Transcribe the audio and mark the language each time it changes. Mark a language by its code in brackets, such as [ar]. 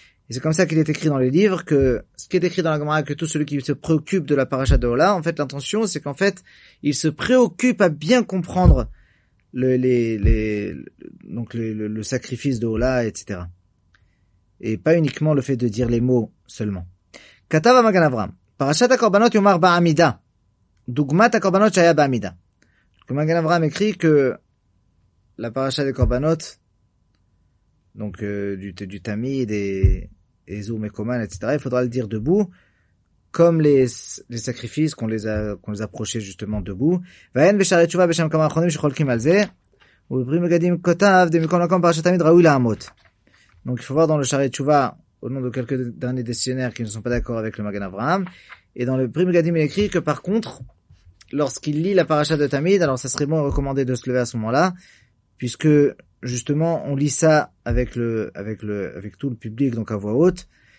[fr] Et c'est comme ça qu'il est écrit dans les livres, que ce qui est écrit dans la Gemara, que tout celui qui se préoccupe de la parashat ola, en fait, l'intention, c'est qu'en fait, il se préoccupe à bien comprendre le sacrifice de ola, etc. Et pas uniquement le fait de dire les mots seulement. [he] כתב המגן אברהם, פרשת הקורבנות יאמר בעמידה, דוגמת הקורבנות שהיה בעמידה. [fr] המגן אברהם écrit que la parasha des korbanot, donc du tamid et zur mekoman, etc., il faudra le dire debout, comme les sacrifices qu'on les approchait justement debout. [he] ואין בשערי תשובה בשם כמה אחרונים שחולקים על זה, ובפרי מגדים כתב, דמקום לקום פרשת תמיד ראוי לעמוד. [fr] Donc il faut voir dans le charé de tshuva, au nom de quelques derniers décisionnaires qui ne sont pas d'accord avec le Magen Avraham. Et dans le Prime Gadim, il écrit que par contre, lorsqu'il lit la paracha de Tamid, alors ça serait bon recommandé de se lever à ce moment-là, puisque justement, on lit ça avec tout le public, donc à voix haute.